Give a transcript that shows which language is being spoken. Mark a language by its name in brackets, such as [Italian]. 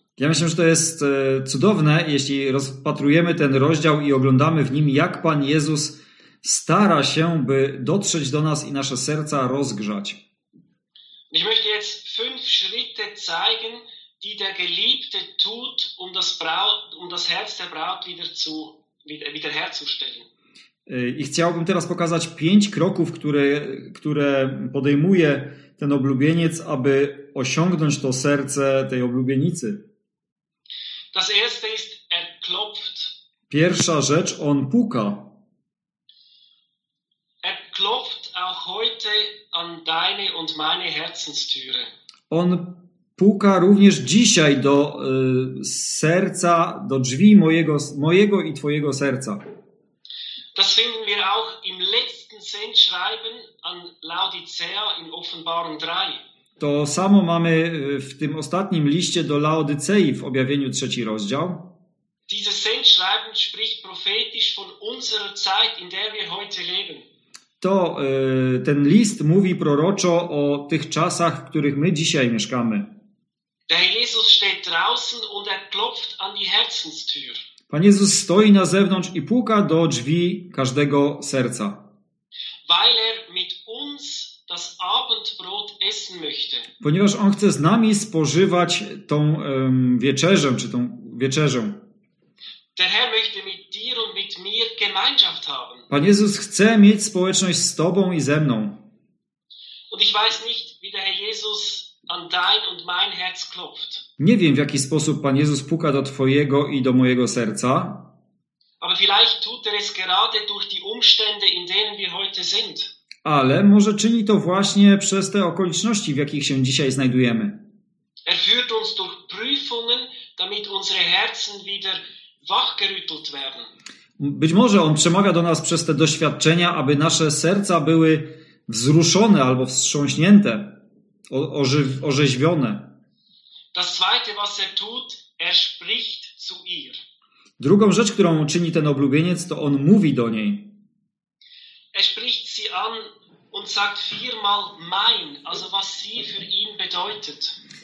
[Polish] Ja myślę, że to jest cudowne, jeśli rozpatrujemy ten rozdział i oglądamy w nim, jak Pan Jezus stara się, by dotrzeć do nas i nasze serca rozgrzać. [German] Ich möchte jetzt fünf Schritte zeigen, die der Geliebte tut, das Herz der Braut wiederherzustellen. [Polish] I chciałbym teraz pokazać pięć kroków, które podejmuje ten oblubieniec, aby osiągnąć to serce tej oblubienicy. [German] Das erste ist, er klopft. [Polish] Pierwsza rzecz, on puka. [German] Er klopft auch heute an deine und meine Herzenstüre. [Polish] On puka również dzisiaj do serca, do drzwi mojego i twojego serca. [German] Das finden wir auch im letzten Sendschreiben an Laodicea in Offenbarung 3. [Polish] To samo mamy w tym ostatnim liście do Laodycei w objawieniu trzeci rozdział. [German] Dieses Sendschreiben spricht prophetisch von unserer Zeit, in der wir heute leben. [Polish] To ten list mówi proroczo o tych czasach, w których my dzisiaj mieszkamy. [German] Der Jesus steht draußen und er klopft an die Herzenstür. [Polish] Pan Jezus stoi na zewnątrz i puka do drzwi każdego serca. [German] Weil er mit uns das Abendbrot essen möchte. [Polish] Ponieważ on chce z nami spożywać tą wieczerzę, czy tą wieczerzę. [German] Der Herr möchte mit dir und mit mir Gemeinschaft haben. [Polish] Pan Jezus chce mieć społeczność z tobą i ze mną. [German] Und ich weiß nicht, wie der Herr Jesus an dein und mein Herz klopft. [Polish] Nie wiem, w jaki sposób Pan Jezus puka do twojego i do mojego serca. [German] Aber vielleicht tut er es gerade durch die Umstände, in denen wir heute sind. [Polish] Ale może czyni to właśnie przez te okoliczności, w jakich się dzisiaj znajdujemy. [German] Er führt uns durch Prüfungen, damit unsere Herzen wieder wachgerüttelt werden. [Polish] Być może on przemawia do nas przez te doświadczenia, aby nasze serca były wzruszone albo wstrząśnięte, orzeźwione. [German] Das zweite, was er tut, er spricht zu ihr. [Polish] Drugą rzecz, którą czyni ten oblubieniec, to on mówi do niej. [German] Er spricht sie an und sagt viermal mein, also was sie für ihn bedeutet.